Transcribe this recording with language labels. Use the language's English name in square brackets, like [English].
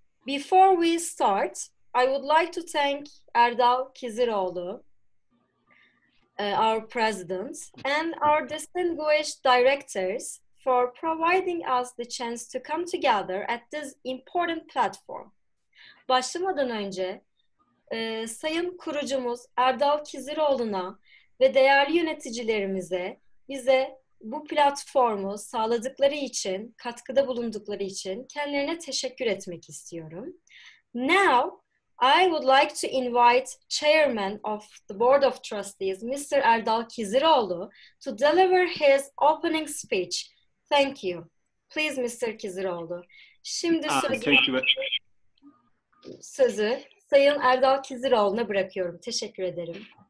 [English] Before we start, I would like to thank Erdal Kiziroğlu, our president, and our distinguished directors for providing us the chance to come together at this important platform. [Turkish] Başlamadan önce, sayın kurucumuz Erdal Kiziroğlu'na ve değerli yöneticilerimize bize bu platformu sağladıkları için, katkıda bulundukları için kendilerine teşekkür etmek istiyorum. [English] Now, I would like to invite Chairman of the Board of Trustees, Mr. Erdal Kiziroğlu, to deliver his opening speech. Thank you. Please, Mr. Kiziroğlu. [Turkish] Şimdi sözü Sayın Erdal Kiziroğlu'na bırakıyorum. Teşekkür ederim.